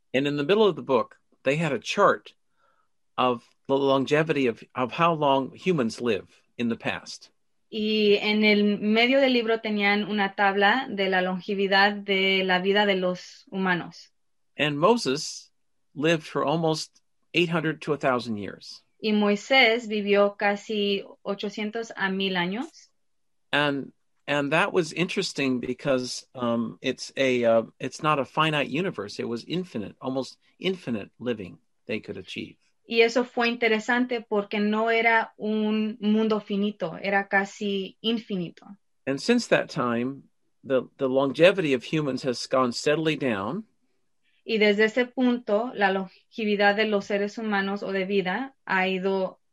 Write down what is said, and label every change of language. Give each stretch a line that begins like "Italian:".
English: And in the middle of the book, they had a chart of the longevity of how long humans live. In the past.
Spanish: Y en el medio del libro tenían una tabla de la longevidad de la vida de los humanos.
English: And Moses lived for almost 800 to 1,000 years.
Spanish: Y Moisés vivió casi 800 a 1,000 años.
English: And that was interesting because it's not a finite universe. It was infinite, almost infinite living they could achieve.
Spanish: Y eso fue interesante porque no era un mundo finito, era casi infinito.
English: And since that time, the longevity of humans has gone steadily down.
Spanish: Y desde ese punto, la longevidad de los seres humanos o de vida ha ido,